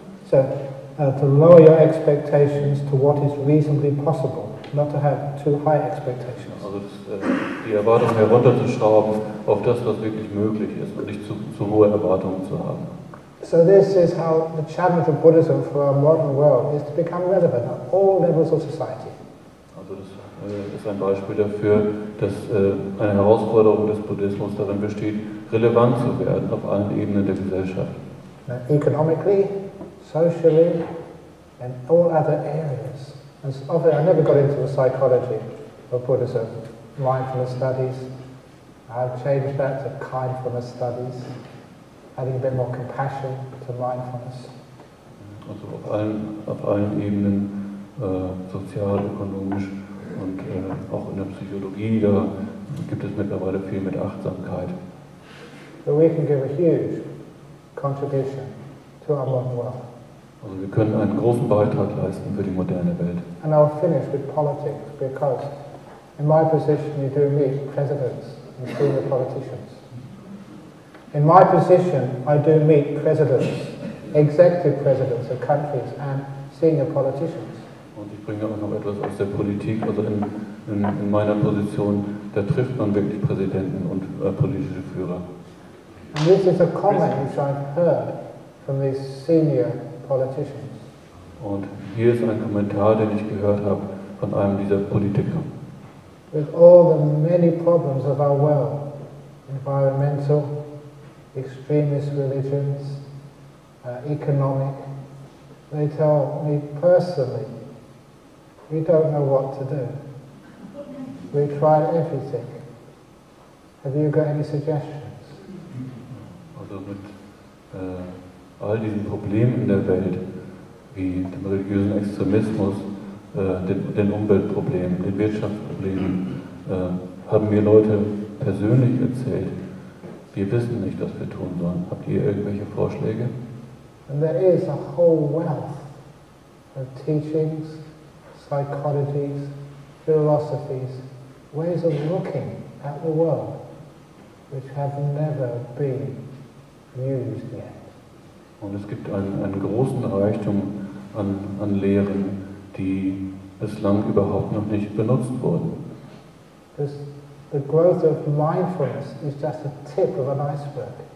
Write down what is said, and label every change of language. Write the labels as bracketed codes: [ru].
[en] So, to lower your expectations to what is reasonably possible, not to have too high expectations. [de] Also, die Erwartungen herunterzuschrauben auf das, was wirklich möglich ist, und nicht zu hohe Erwartungen zu haben. [en] So this is how the challenge of Buddhism for our modern world is to become relevant at all levels of society. [de] Das ist ein Beispiel dafür, dass eine Herausforderung des Buddhismus darin besteht, relevant zu werden auf allen Ebenen der Gesellschaft. [en] Economically, socially, and all other areas. And so, I never got into the psychology of Buddhism, mindfulness studies. I have changed that to kindfulness studies, adding a bit more compassion to mindfulness. [de] Also auf allen Ebenen, sozial, ökonomisch. Und auch in der Psychologie, da gibt es mittlerweile viel mit Achtsamkeit. [en] So we can give a huge contribution to our modern world. [de] Also wir können einen großen Beitrag leisten für die moderne Welt. [en] And I'll finish with politics, because in my position you do meet presidents and senior politicians. In my position I do meet presidents, executive presidents of countries and senior politicians. [de] Und ich bringe auch noch etwas aus der Politik, also in meiner Position, da trifft man wirklich Präsidenten und politische Führer. [en] And this is a comment which I've heard from these senior politicians. [de] Und hier ist ein Kommentar, den ich gehört habe von einem dieser Politiker. [en] With all the many problems of our world, environmental, extremist religions, economic, they tell me personally, we don't know what to do. We tried everything. Have you got any suggestions? [de] Also mit all diesen Problemen in der Welt, wie dem religiösen Extremismus, den Umweltproblemen, den Wirtschaftsproblemen, haben mir Leute persönlich erzählt, wir wissen nicht, was wir tun sollen. Habt ihr irgendwelche Vorschläge? [en] And there is a whole wealth of teachings, psychologies, philosophies, ways of looking at the world, which have never been used yet. [de] Und es gibt einen großen Reichtum an Lehren, die bislang überhaupt noch nicht benutzt wurden. [en] The growth of mindfulness is just the tip of an iceberg.